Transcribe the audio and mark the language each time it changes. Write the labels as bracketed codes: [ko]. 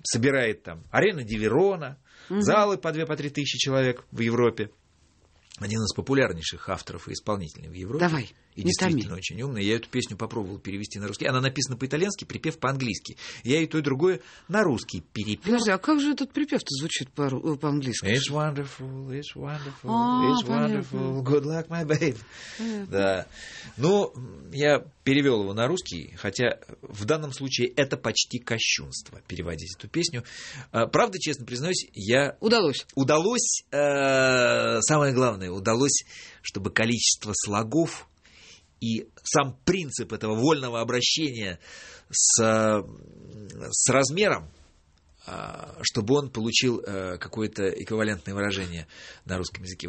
[ru] Собирает там арены Диверона, угу, залы по 2-3 тысячи человек в Европе. Один из популярнейших авторов и исполнителей в Европе. Давай. И действительно очень умный. Я эту песню попробовал перевести на русский. Она написана по-итальянски, припев по-английски. Я и то, и другое на русский перепел. Подожди, а как же этот припев-то звучит по-английски? [en] It's wonderful, it's wonderful, it's wonderful. Good luck, my babe. [ru] Да. Ну, я перевел его на русский, хотя в данном случае это почти кощунство переводить эту песню. Правда, честно признаюсь, я... Удалось. Удалось. Самое главное, удалось, чтобы количество слогов и сам принцип этого вольного обращения с размером, чтобы он получил какое-то эквивалентное выражение на русском языке.